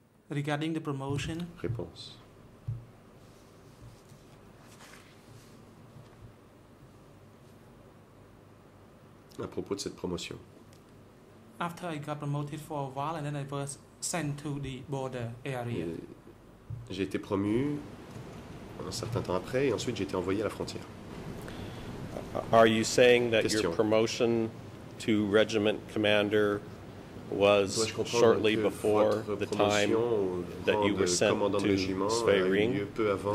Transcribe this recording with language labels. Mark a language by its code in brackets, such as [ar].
[en] Regarding the promotion. [fr] Réponse. À propos de cette promotion. [en] After I got promoted for a while and then I was sent to the border area. [fr] J'ai été promu un certain temps après et ensuite j'ai été envoyé à la frontière. [en] Are you saying that Question. Your promotion to regiment commander was shortly before the time that you were sent to Zwayring?